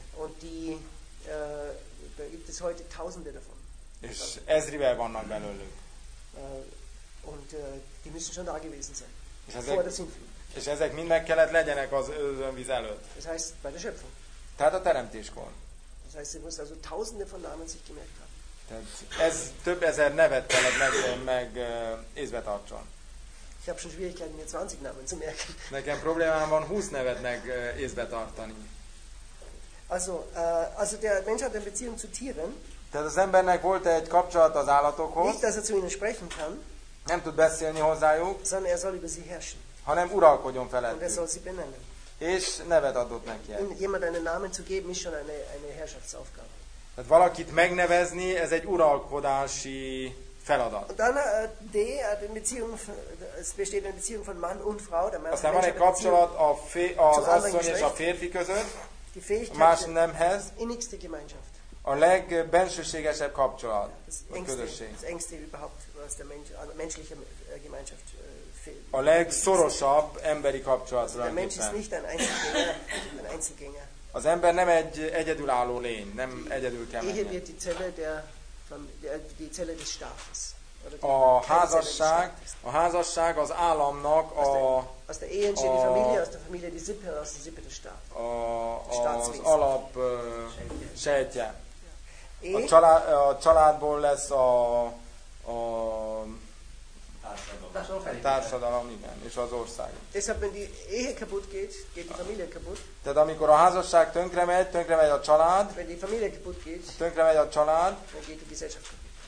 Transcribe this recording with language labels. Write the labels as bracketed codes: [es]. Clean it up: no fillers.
[de] Und die da gibt es heute tausende davon. [hu] És ezrivel vannak belőlük. [de] Und die müssen schon da gewesen sein. Vor der Sintflut. [hu] És ezek mind meg kellett legyenek az özönvíz előtt. [de] Das heißt bei der Schöpfung. [hu] Tehát a teremtéskor. [de] Das heißt, sie mussten also tausende von Namen sich gemerkt haben. [hu] Tehát ez több ezer nevet kellett meg észbe tartson. [de] Ich habe schon Schwierigkeiten, mir 20 Namen zu merken. [hu] Nekem problémám van 20 nevet meg észbe tartani. [de] Also der Mensch hat eine Beziehung zu Tieren. [hu] Tehát az embernek volt egy kapcsolat az állatokhoz. [de] Nicht, dass er zu ihnen sprechen kann. [hu] Nem tud beszélni hozzájuk. [de] Sondern er soll über sie herrschen. [hu] Hanem uralkodjon felettük. [de] Und er soll sie benennen. [hu] És nevet adott neki. [de] Jemand einen Namen zu geben, ist schon eine Herrschaftsaufgabe. [hu] Tehát valakit megnevezni, ez egy uralkodási feladat. [de] Dann die Beziehung, es besteht eine Beziehung von Mann und Frau. [hu] Aztán van egy kapcsolat az asszony és a férfi között. Más nemhez. [de] Innigste Gemeinschaft. [hu] A legbensőségesebb kapcsolat. Ja, közösség. [de] Az engste überhaupt, was der Mensch, a menschliche Gemeinschaft fehlt. [hu] A legszorosabb emberi kapcsolat. [de] Der Mensch ist nicht ein Einzelgänger. [hu] Az ember nem egy egyedülálló lény, nem egyedül kell menni. [de] Ehe wird die Zelle die Zelle des Staates. [hu] A házasság az államnak [de] az der Ehe entsteht die Familie, aus der Familie die Sippe, aus der Sippe der Staat. [hu] Az alap sejtje. A családból lesz a társadalom, igen, és az ország. [de] Deshalb, wenn die Ehe kaputt geht, geht die Familie kaputt. [hu] Tehát amikor a házasság tönkre megy a család. [de] Wenn die Familie kaputt geht, [hu] tönkre megy a család. [de] Dann geht die Gesellschaft kaputt.